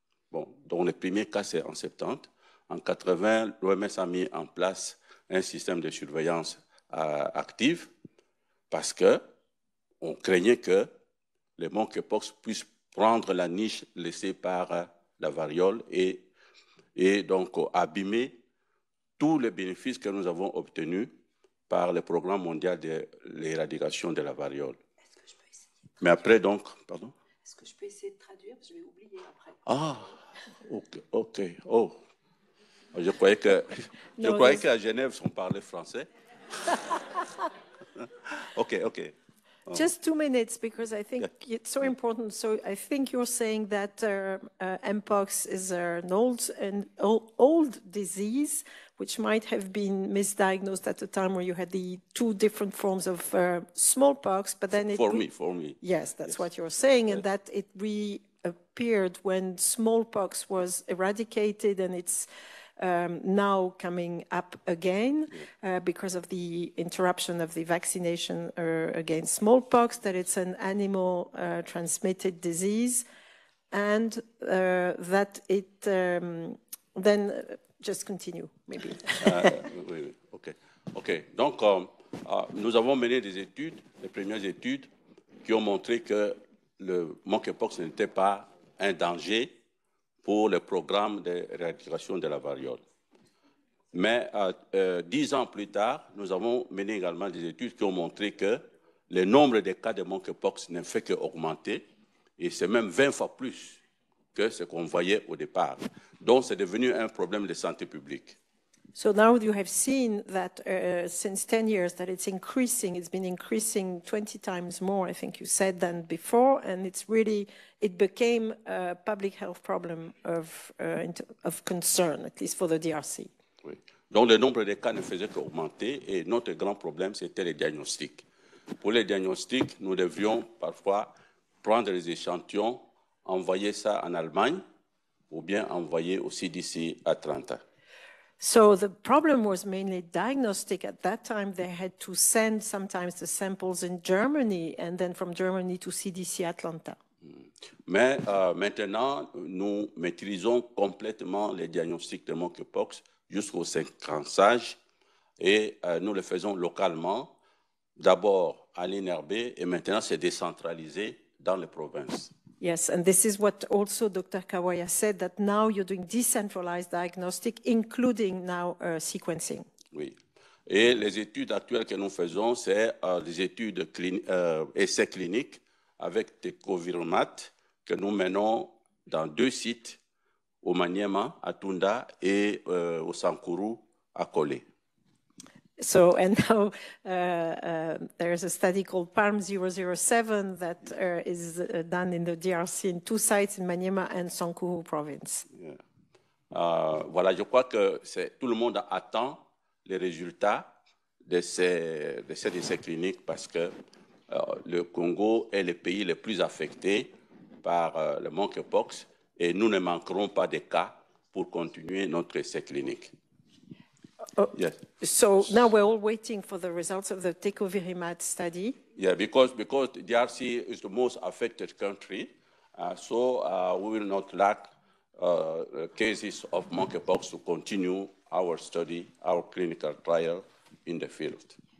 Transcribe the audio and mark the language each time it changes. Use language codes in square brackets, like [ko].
[fr] Bon, donc le premier cas, c'est en 70. En 80, l'OMS a mis en place un système de surveillance active parce qu'on craignait que le monkeypox puisse prendre la niche laissée par la variole et donc abîmer tous les bénéfices que nous avons obtenus par le programme mondial de l'éradication de la variole. Est-ce que je peux essayer de traduire? Mais après, donc, pardon? Est-ce que je peux essayer de traduire? Je vais oublier après. Ah, ok. Oh, je croyais qu'à Genève, on parlait français. Ok. [en] Just 2 minutes, because I think it's so important. So I think you're saying that Mpox is an old disease, which might have been misdiagnosed at the time where you had the two different forms of smallpox, but then it... For me. Yes, that's what you're saying, and that it reappeared when smallpox was eradicated and it's now coming up again because of the interruption of the vaccination against smallpox, that it's an animal transmitted disease, and that it then just continue maybe. Okay. [fr] Donc, nous avons mené des études, les premières études, qui ont montré que le monkeypox n'était pas un danger pour le programme d'éradication de la variole. Mais 10 ans plus tard, nous avons mené également des études qui ont montré que le nombre de cas de monkeypox ne fait qu'augmenter, et c'est même 20 fois plus que ce qu'on voyait au départ. Donc, c'est devenu un problème de santé publique. [en] So now you have seen that since 10 years that it's increasing, it's been increasing 20 times more, I think you said, than before, and it's really, it became a public health problem of concern, at least for the DRC. [fr] Oui. Donc le nombre de cas ne faisait qu'augmenter, et notre grand problème, c'était les diagnostics. Pour les diagnostics, nous devions parfois prendre les échantillons, envoyer ça en Allemagne, ou bien envoyer aussi d'ici à 30 ans. [en] So the problem was mainly diagnostic. At that time, they had to send sometimes the samples in Germany and then from Germany to CDC Atlanta. [fr] Mais maintenant, nous maîtrisons complètement les diagnostics de monkeypox jusqu'au séquençage et nous le faisons localement, d'abord à l'INRB et maintenant c'est décentralisé dans les provinces. [en] Yes, and this is what also Dr. Kawaya said, that now you're doing decentralized diagnostic, including now sequencing. [fr] Oui. Et les études actuelles que nous faisons, c'est des études essais cliniques avec des coviromates que nous menons dans 2 sites, au Maniema, à Tunda, et au Sankuru, à Kolé. [en] So, and now there is a study called PALM-007 that is done in the DRC in 2 sites in Maniema and Sankuru province. Yeah. [fr] Voilà, je crois que c'est, tout le monde attend les résultats de ces essais cliniques parce que le Congo est le pays le plus affecté par le monkeypox et nous ne manquerons pas de cas pour continuer notre essai clinique. [en] Yes. So now we're all waiting for the results of the tecovirimat study. Yeah, because DRC is the most affected country, so we will not lack cases of monkeypox to continue our study, our clinical trial in the field.